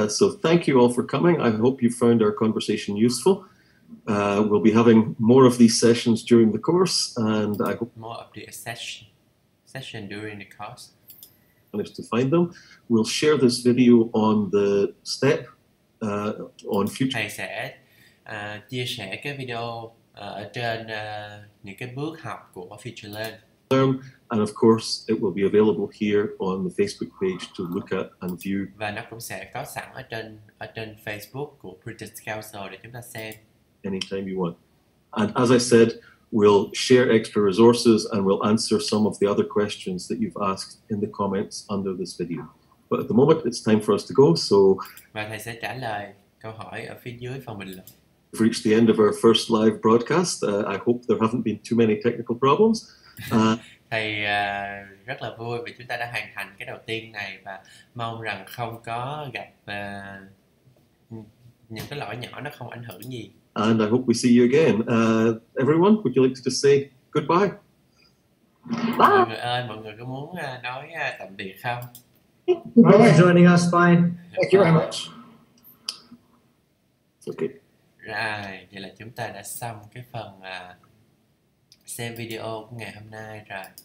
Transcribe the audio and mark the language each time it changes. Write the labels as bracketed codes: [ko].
[en] So thank you all for coming. I hope you found our conversation useful. We'll be having more of these sessions during the course, and I hope more of the session during the course. Managed to find them. We'll share this video on the step on future. [vi] Thầy sẽ chia sẻ cái video trên những cái bước học của future learn. [en] And of course, it will be available here on the Facebook page to look at and view. [vi] Và nó cũng sẽ có sẵn ở trên Facebook của British Council để chúng ta xem. [en] Anytime you want. And as I said, we'll share extra resources and we'll answer some of the other questions that you've asked in the comments under this video. But at the moment, it's time for us to go. So. [vi] Và thầy sẽ trả lời câu hỏi ở phía dưới phần bình luận. [en] We've reached the end of our first live broadcast. I hope there haven't been too many technical problems. [vi] Thầy rất là vui vì chúng ta đã hoàn thành cái đầu tiên này và mong rằng không có gặp những cái lỗi nhỏ, nó không ảnh hưởng gì. [en] And I hope we see you again. Everyone, would you like to just say goodbye? Bye. [vi] Mọi người ơi, mọi người có muốn nói tạm biệt không? [en] Bye. Thank you for joining us. Bye. Thank you very much. Okay. [vi] Rồi, vậy là chúng ta đã xong cái phần xem video của ngày hôm nay rồi.